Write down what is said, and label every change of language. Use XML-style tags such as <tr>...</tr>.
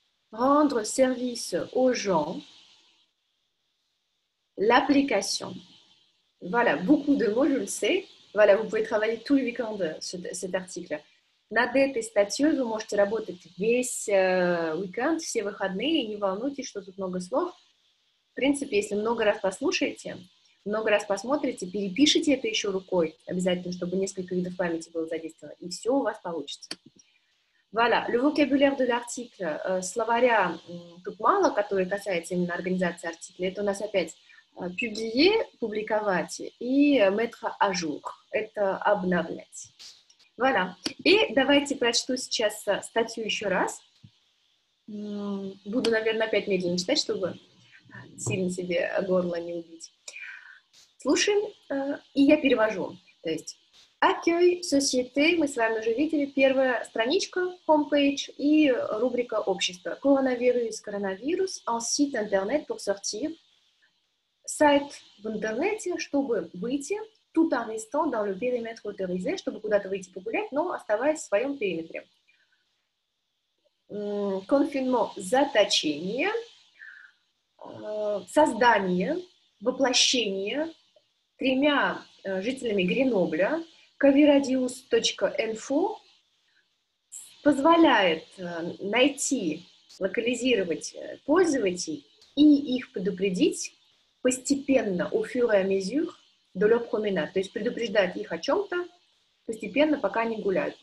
<fr>Rendre service aux gens. L'application. Voilà, beaucoup de mots, je le sais. Voilà, vous pouvez travailler tout le week-end cet article.</fr> <ru>Над этой статьей вы можете работать весь уикенд, все выходные, и не волнуйтесь, что тут много слов. В принципе, если много раз послушаете, много раз посмотрите, перепишите это еще рукой обязательно, чтобы несколько видов памяти было задействовано, и все у вас получится.</ru> <fr>Voilà, le vocabulaire de l'article.</fr> <ru>Словаря тут мало, которые касаются именно организации артикля. Это у нас опять publier, публиковать, и</ru> <fr>mettre à jour.</fr> <ru>Это обновлять. Voilà. И давайте прочту сейчас статью еще раз. Буду, наверное, опять медленно читать, чтобы сильно себе горло не убить. Слушаем, и я перевожу. То есть, accueil, société, мы с вами уже видели, первая страничка, homepage и рубрика общества.</ru> <fr>Coronavirus, коронавирус, un site internet pour sortir.</fr> <ru>Сайт в интернете, чтобы выйти.</ru> <fr>Tout en restant dans le périmètre autorisé,</fr> <ru>чтобы куда-то выйти погулять, но оставаясь в своем периметре. Confinement – заточение, создание, воплощение тремя жителями Гренобля, coviradius.info позволяет найти, локализировать пользователей и их предупредить постепенно,</ru> <fr>au fur et à mesure, de leur promenade,</fr> <ru>то есть предупреждать их о чем-то постепенно, пока они гуляют.</ru>